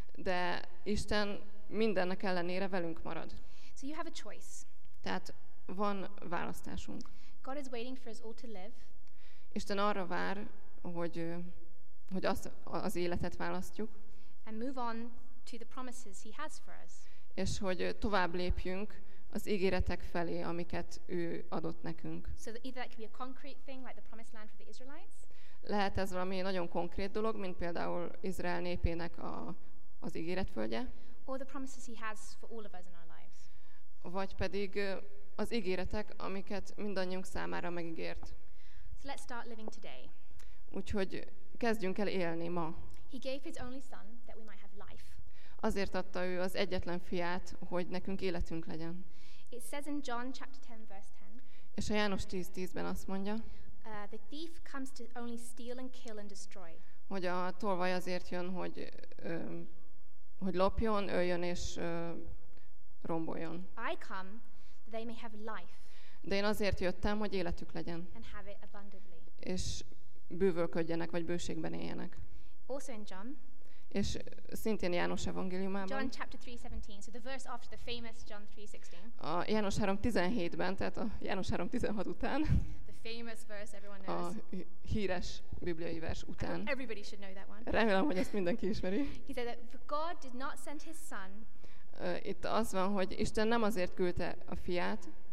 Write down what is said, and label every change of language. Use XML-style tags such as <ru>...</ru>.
<hu>De Isten mindennek ellenére velünk marad.</hu> <en>So you have a choice.</en> <hu>Tehát van választásunk.</hu> <en>God is waiting for us all to live.</en> <hu>Isten arra vár, hogy az életet választjuk.</hu> <en>And move on to the promises he has for us.</en> <hu>És hogy tovább lépjünk az ígéretek felé, amiket ő adott nekünk.</hu> <en>So that either that could be a concrete thing like the promised land for the Israelites.</en> <hu>Lehet ez valami nagyon konkrét dolog, mint például Izrael népének az ígéret földje.</hu> <en>Or the promises he has for all of us in our lives.</en> <hu>Vagy pedig az ígéretek, amiket mindannyiunk számára megígért.</hu> <en>So let's start living today.</en> <hu>Úgyhogy kezdjünk el élni ma.</hu> <en>He gave his only son that we might have life.</en> <hu>Azért adta ő az egyetlen fiát, hogy nekünk életünk legyen.</hu> <en>It says in John chapter 10 verse 10.</en> <hu>És a János 10:10-ben azt mondja.</hu> <en>The thief comes to only steal and kill and destroy.</en> <hu>Hogy a tolvaj azért jön, hogy lopjon, öljön és romboljon.</hu> <en>I come that they may have life.</en> <hu>De én azért jöttem, hogy életük legyen.</hu> <en>And have it abundantly.</en> <hu>És bővölködjenek, vagy bőségben éljenek.</hu> <en>Also in John.</en> <hu>És szintén János evangéliumában.</hu> <en>John chapter 3:17, so the verse after the famous John 3:16.</en> <hu>A János 3:17-ben, tehát a János 3:16 után.</hu> <en>Famous verse everyone knows.</en> <hu>A híres bibliai vers után.</hu> <en>Everybody should know that one.</en> <hu>Remélem, hogy ezt mindenki ismeri.</hu> <en>He said that God did not send his son.</en> <hu>Itt az van, hogy Isten nem azért küldte a fiát.</hu>